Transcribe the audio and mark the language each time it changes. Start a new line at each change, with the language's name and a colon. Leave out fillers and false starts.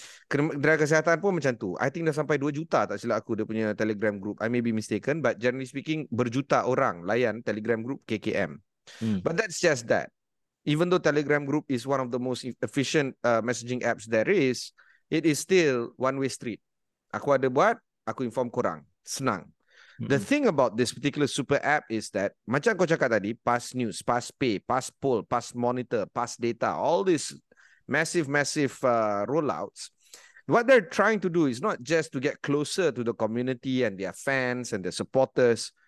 Malay: Kedai kesihatan pun macam tu.
English: I think
Malay: dah sampai 2 juta tak silap aku dia punya Telegram group.
English: I may be mistaken, but generally speaking,
Malay: berjuta orang layan
English: Telegram group KKM. But that's just that. Even though Telegram group is one of the most efficient messaging apps there is, it is still one way street.
Malay: Aku ada buat, aku inform korang. Senang.
English: The thing about this particular super app is that,
Malay: macam kau cakap tadi,
English: PAS News, PAS Pay, PAS Poll, PAS Monitor, PAS Data, all these massive rollouts, what they're trying to do is not just to get closer to the community and their fans and their supporters.